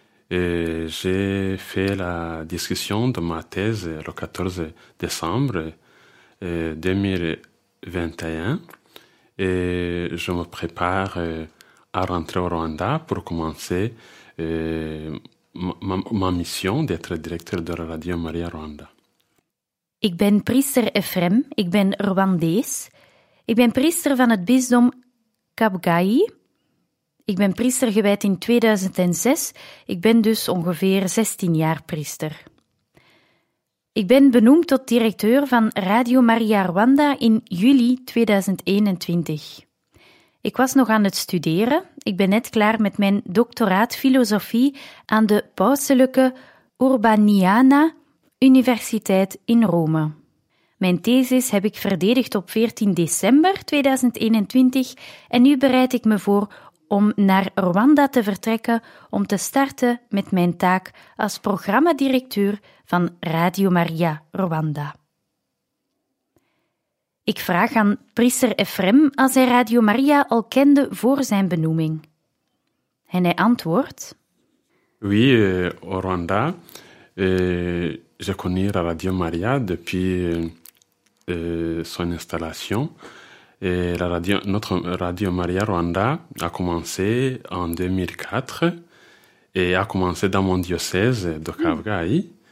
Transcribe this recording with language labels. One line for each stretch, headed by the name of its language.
French: J'ai fait la discussion de ma thèse le 14 décembre 2021 et je me prépare à rentrer au Rwanda pour commencer ma mission d'être directeur de la radio Maria Rwanda.
Dutch: Ik ben priester Ephrem, ik ben Rwandees. Ik ben priester van het bisdom Kabgayi. Ik ben priester gewijd in 2006. Ik ben dus ongeveer 16 jaar priester. Ik ben benoemd tot directeur van Radio Maria Rwanda in juli 2021. Ik was nog aan het studeren. Ik ben net klaar met mijn doctoraat filosofie aan de Pauselijke Urbaniana Universiteit in Rome. Mijn thesis heb ik verdedigd op 14 december 2021 en nu bereid ik me voor om naar Rwanda te vertrekken om te starten met mijn taak als programmadirecteur van Radio Maria Rwanda. Ik vraag aan priester Ephrem als hij Radio Maria al kende voor zijn benoeming. En hij antwoordt...
French: Oui, au Rwanda, j'ai connu la Radio Maria depuis son installation. Et la radio, notre Radio Maria Rwanda a commencé en 2004 et a commencé dans mon diocèse de Kabgayi.